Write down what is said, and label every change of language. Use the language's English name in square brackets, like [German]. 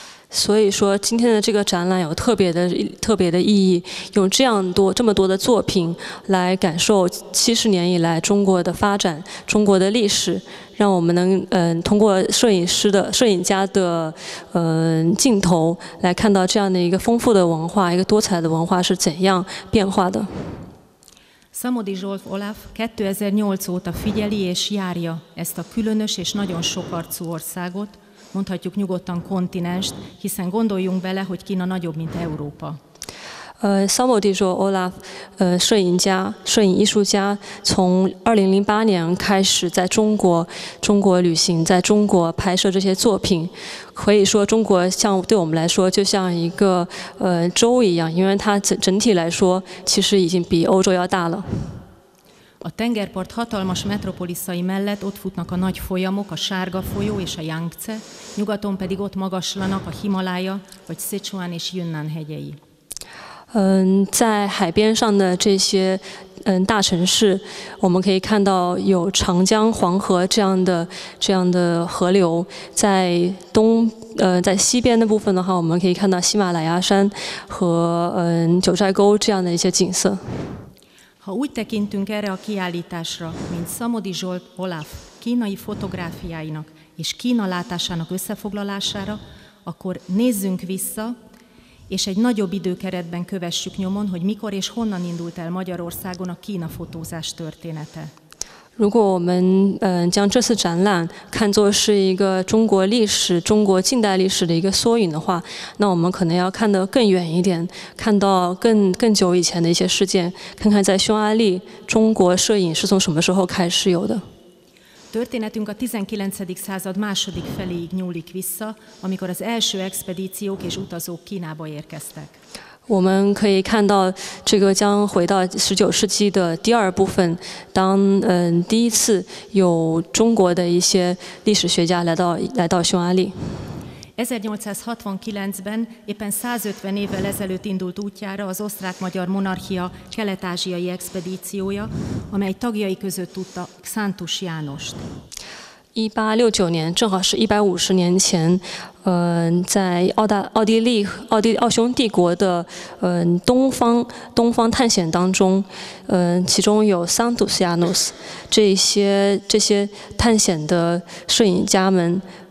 [Chinese] 所以说今天的这个展览有特别的意义，用这么多的作品来感受70年以来中国的发展，中国的历史，让我们能通过摄影家的镜头来看到这样的一个丰富的文化，一个多彩的文化是怎样变化的。 [Hungarian] Szamodi Zsolt Olaf 2008 óta figyeli és járja ezt a különös és nagyon sokarcú országot。 Mondhatjuk nyugodtan kontinenst, hiszen gondoljunk bele, hogy Kína nagyobb, mint Európa. [Chinese] Szamodi Zsolt Olaf, 摄影艺术家, 从2008年开始在中国旅行，在中国拍摄这些作品，可以说中国对我们来说就像一个州一样，因为它整体来说其实已经比欧洲要大了。 [Hungarian] A tengerpart hatalmas metropoliszai mellett ott futnak a nagy folyamok, a Sárga folyó és a Yangtze, nyugaton pedig ott magaslanak a Himalája vagy Szechuan és Yunnan hegyei. [Chinese] 在海边上的这些大城市，我们可以看到有长江、黄河这样的河流。在东在西边的部分的话，我们可以看到喜马拉雅山和九寨沟这样的一些景色。 [Hungarian] Ha úgy tekintünk erre a kiállításra, mint Szamodi Zsolt Olaf kínai fotográfiáinak és Kína látásának összefoglalására, akkor nézzünk vissza, és egy nagyobb időkeretben kövessük nyomon, hogy mikor és honnan indult el Magyarországon a Kína fotózás története. [Chinese] 如果我们将这次展览看作是一个中国历史、中国近代历史的一个缩影的话，那我们可能要看得更远一点，看到更久以前的一些事件，看看在匈牙利，中国摄影是从什么时候开始有的。 [Hungarian] Történetünk a 19. század második feléig nyúlik vissza, amikor az első expedíciók és utazók Kínába érkeztek. [Chinese] 我们可以看到，这个将回到19世纪的第二部分，当第一次有中国的一些历史学家来到匈牙利。 [Hungarian] 1869-ben éppen 150 évvel ezelőtt indult útjára az Osztrák-Magyar Monarchia kelet-ázsiai expedíciója, amely tagjai között tudta Xántus Jánost. [Chinese] 1869年，正好是150年前，在奥匈帝国的东方探险当中，其中有桑图斯亚努斯这些探险的摄影家们，